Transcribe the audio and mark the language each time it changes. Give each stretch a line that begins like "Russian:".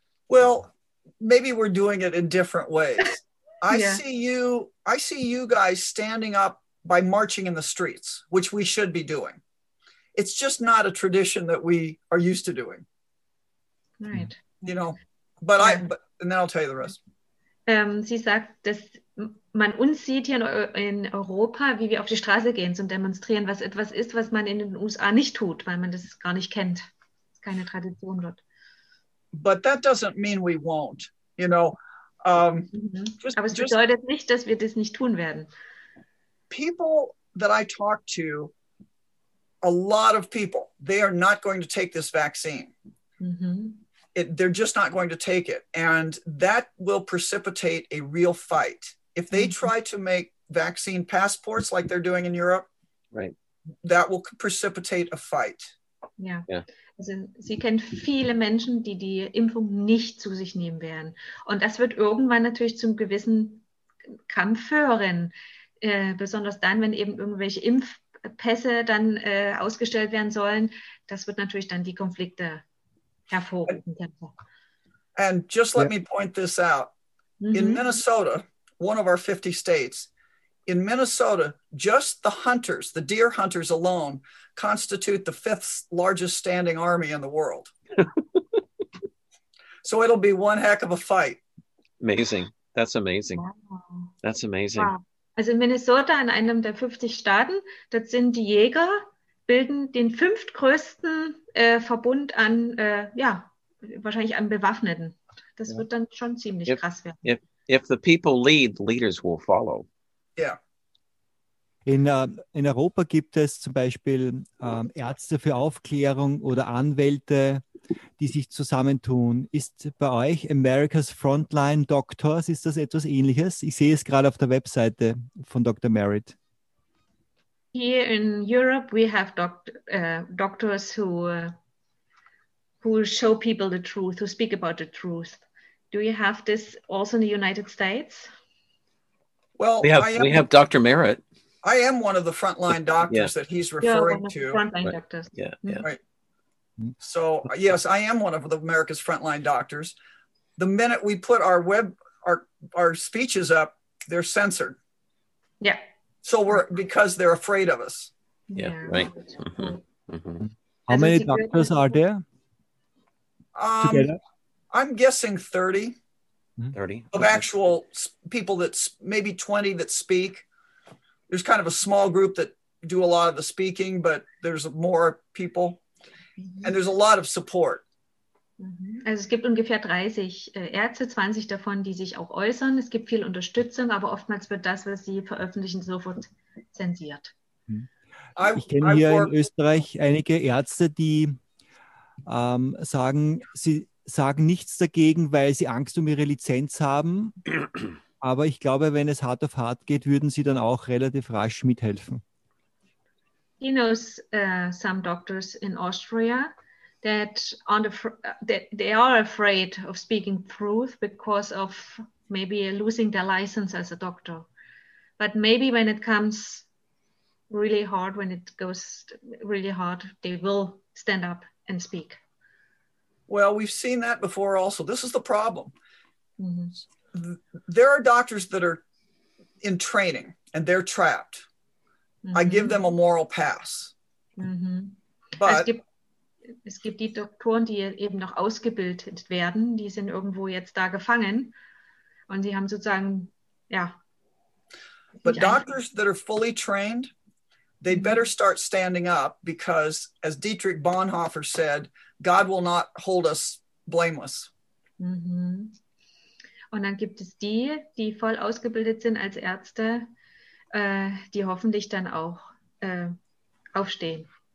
English: Well, maybe we're doing it in different ways. I see you guys standing up by marching in the streets, which we should be doing. It's just not a tradition that we are used to doing. Right. You know, and then I'll tell you the rest.
German: Sie sagt, dass man uns sieht hier in Europa, wie wir auf die Straße gehen zum Demonstrieren, was etwas ist, was man in den USA nicht tut, weil man das gar nicht kennt. Es ist keine Tradition dort.
English: But that doesn't mean we won't, you know.
German: Aber es bedeutet nicht, dass wir das nicht tun werden.
English: People that I talk to, a lot of people, they are not going to take this vaccine. Mm-hmm. They're just not going to take it. And that will precipitate a real fight. If they try to make vaccine passports like they're doing in Europe, that will precipitate a fight.
German: Also sie kennt viele Menschen, die die Impfung nicht zu sich nehmen werden. Und das wird irgendwann natürlich zum gewissen Kampf führen. Besonders dann, wenn eben irgendwelche Impfpässe dann ausgestellt werden sollen, das wird natürlich dann die Konflikte hervorrufen.
English: And just let me point this out. Mm-hmm. In Minnesota, one of our 50 states, in Minnesota, just the hunters, the deer hunters alone, constitute the fifth largest standing army in the world. So it'll be one heck of a fight. Amazing. That's amazing. Wow. That's amazing. Wow.
German: Also in Minnesota, in einem der 50 Staaten, das sind die Jäger, bilden den fünftgrößten Verbund an, wahrscheinlich an Bewaffneten. Das wird dann schon ziemlich krass werden.
English: If the people lead, the leaders will follow. Yeah.
German: In Europa gibt es zum Beispiel Ärzte für Aufklärung oder Anwälte, die sich zusammentun. Ist bei euch America's Frontline Doctors, ist das etwas Ähnliches? Ich sehe es gerade auf der Webseite von Dr. Merritt.
English: Here in Europe, we have doctors who show people the truth, who speak about the truth. Do you have this also in the United States? Well, we have Dr. Merritt. I am one of the frontline doctors that he's referring to. Right. frontline doctors. Yeah, right. So, yes, I am one of the America's frontline doctors. The minute we put our speeches up, they're censored. Yeah. So because they're afraid of us. Yeah, right. Mm-hmm. How many doctors are there? I'm guessing 30. 30 of actual people, that's maybe 20 that speak. There's kind of a small group that do a lot of the speaking, but there's more people, and there's a lot of support.
German: Also es gibt ungefähr 30 Ärzte, 20 davon, die sich auch äußern. Es gibt viel Unterstützung, aber oftmals wird das, was sie veröffentlichen, sofort zensiert. Ich kenne hier in Österreich einige Ärzte, die sagen nichts dagegen, weil sie Angst um ihre Lizenz haben. Aber ich glaube, wenn es hart auf hart geht, würden sie dann auch relativ rasch mithelfen.
English: He knows some doctors in Austria that they are afraid of speaking truth because of maybe losing their license as a doctor. But maybe when it comes really hard, when it goes really hard, they will stand up and speak. Well, we've seen that before also. This is the problem. Mm-hmm. There are doctors that are in training and they're trapped. Mm-hmm. I give them a moral pass. Mm-hmm. But
German: es gibt die Doktoren, die eben noch ausgebildet werden. Die sind irgendwo jetzt da gefangen. Und sie haben sozusagen, ja.
English: But doctors that are fully trained, they better start standing up because, as Dietrich Bonhoeffer said, God will not hold us blameless. Mm-hmm.
German: Und dann gibt es die, die voll ausgebildet sind als Ärzte, die hoffentlich dann auch aufstehen.